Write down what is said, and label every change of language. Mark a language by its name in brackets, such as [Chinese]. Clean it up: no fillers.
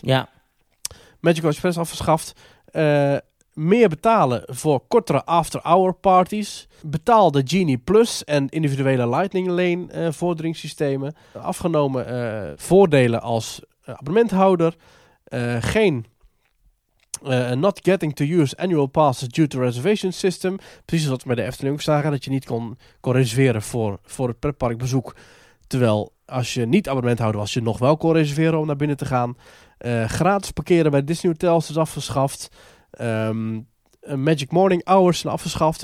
[Dutch] Ja. Magical Express afgeschaft. Meer betalen voor kortere after-hour parties. Betaal de Genie Plus en individuele Lightning Lane vorderingssystemen. Afgenomen voordelen als abonnementhouder. Geen [English] not getting to use annual passes due to reservation system. [Dutch] Precies zoals we bij de Efteling ook zagen. Dat je niet kon reserveren voor het pretparkbezoek. Terwijl als je niet abonnementhouder was, je nog wel kon reserveren om naar binnen te gaan. Gratis parkeren bij Disney Hotels is afgeschaft. Magic Morning Hours zijn afgeschaft.